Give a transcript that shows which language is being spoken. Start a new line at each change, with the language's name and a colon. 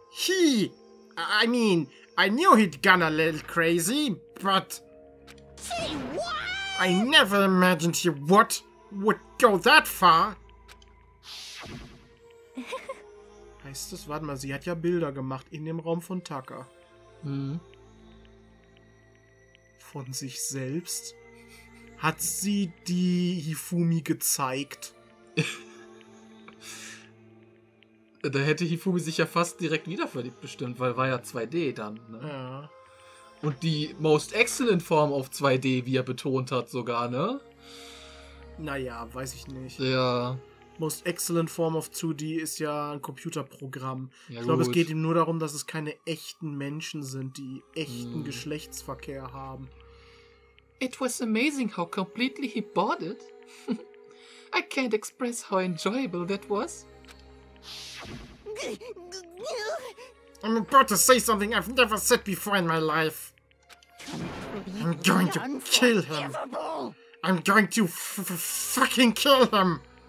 English: I knew he'd gone a little crazy, but... Say what? I never imagined he would go that far.
German: Heißt es, warte mal, sie hat ja Bilder gemacht in dem Raum von Taka. Mhm. Von sich selbst? Hat sie die Hifumi gezeigt? Da hätte Hifumi sich ja fast direkt wieder verliebt bestimmt, weil war ja 2D dann, ne? Ja. Und die Most Excellent Form auf 2D, wie er betont hat sogar, ne? Naja, weiß ich nicht. Ja. Most Excellent Form of 2D ist ja ein Computerprogramm. Ja, ich glaube, es geht ihm nur darum, dass es keine echten Menschen sind, die echten Geschlechtsverkehr haben.
English: It was amazing how completely he bought it. I can't express how enjoyable that was. I'm about to say something I've never said before in my life. I'm going to kill him. I'm going to fucking kill him.